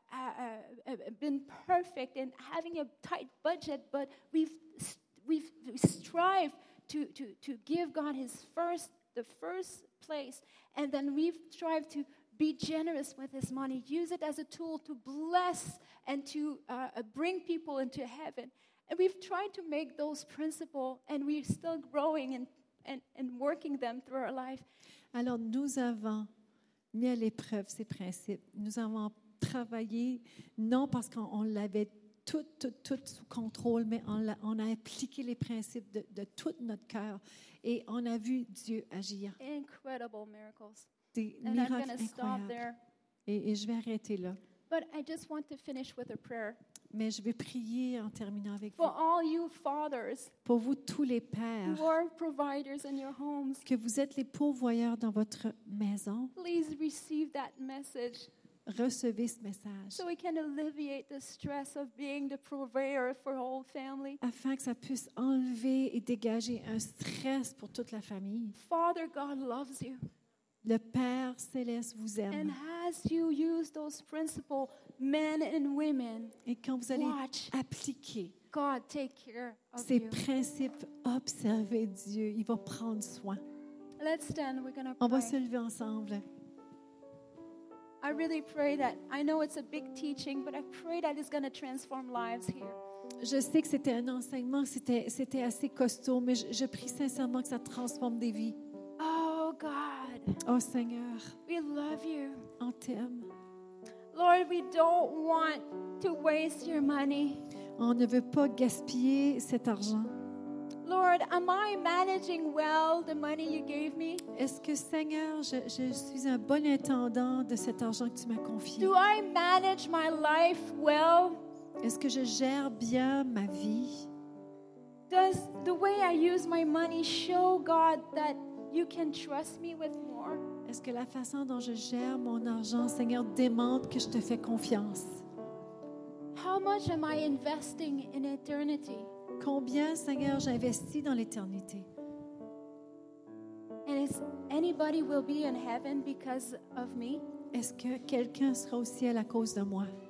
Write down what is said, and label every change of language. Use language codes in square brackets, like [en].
[en] We haven't always been perfect in having a tight budget, but we've strived to give God His first, the first. place, and then we strive to be generous with this money. Use it as a tool to bless and to bring people into heaven. And we've tried to make those principles, and we're still growing and working them through our life. [fr] Alors, nous avons mis à l'épreuve ces principes. Nous avons travaillé, non parce qu'on l'avait tout sous contrôle, mais on a appliqué les principes de tout notre cœur et on a vu Dieu agir. [en] Incredible miracles. [fr] Des miracles incroyables. Et je vais arrêter là. [en] But I just want to finish with a prayer. [fr] Mais je vais prier en terminant avec [en] for [fr] vous. [en] All you fathers, [fr] pour vous tous les pères, [en] who are providers in your homes, [fr] que vous êtes les pourvoyeurs dans votre maison, [en] please receive that message. [fr] Recevez ce message. [en] So we can alleviate the stress of being the provider for whole family. [fr] Afin que ça puisse enlever et dégager un stress pour toute la famille. [en] Father God loves you. [fr] Le Père céleste vous aime. [en] And as you use those principles, men and women, [fr] et quand vous allez appliquer [en] God take care of [fr] ces principes, observez Dieu, il va prendre soin. [en] Let's stand. We're gonna pray. [fr] On va se lever ensemble. [en] I really pray that I know it's a big teaching, but I pray that it's going to transform lives here. [fr] Je sais que c'était un enseignement, c'était assez costaud, mais je prie sincèrement que ça transforme des vies. [en] Oh God. [fr] Oh Seigneur. [en] We love you. [fr] On t'aime. [en] Lord, we don't want to waste your money. [fr] On ne veut pas gaspiller cet argent. [en] Lord, am I managing well the money you gave me? [fr] Est-ce que Seigneur, je suis un bon intendant de cet argent que tu m'as confié? [en] Do I manage my life well? [fr] Est-ce que je gère bien ma vie? [en] Does the way I use my money show God that you can trust me with more? [fr] Est-ce que la façon dont je gère mon argent, Seigneur, démontre que je te fais confiance? [en] How much am I investing in eternity? [fr] Combien, Seigneur, j'investis dans l'éternité? [en] And is anybody will be in heaven because of me? [fr] Est-ce que quelqu'un sera au ciel à cause de moi?